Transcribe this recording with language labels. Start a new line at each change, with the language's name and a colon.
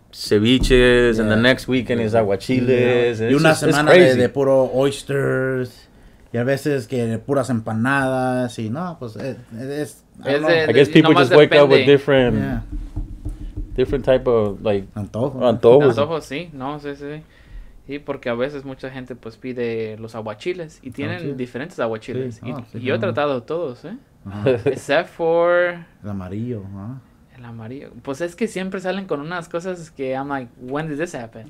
English: ceviches, yeah. and the next weekend is aguachiles. Yeah.
Spanish: Y una semana de puro oysters, y a veces que puras empanadas, y no, pues es
English: I guess people just wake up with different, different type of, like,
Spanish: antojos, sí, no, sí, sí, porque a veces mucha gente, pues, pide los aguachiles, y tienen diferentes aguachiles, sí. Y yo he tratado todos,
English: except for,
Spanish: el amarillo, ¿no? El amarillo. Pues es que siempre salen con unas cosas que
English: I'm like, when did this happen?